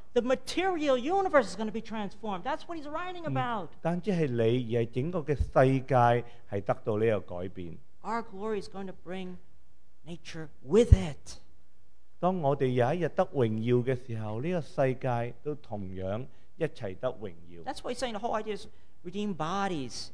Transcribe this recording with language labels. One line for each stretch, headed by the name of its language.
English: The material universe is going to be transformed. That's what he's writing about.
Chinese: 但只是你,而是整个的世界是得到这个改变。
English: Our glory is going to bring nature with it.
Chinese: 当我们有一日得荣耀的时候，这个世界都同样一起得荣耀。
English: That's why he's saying the whole idea is redeemed bodies.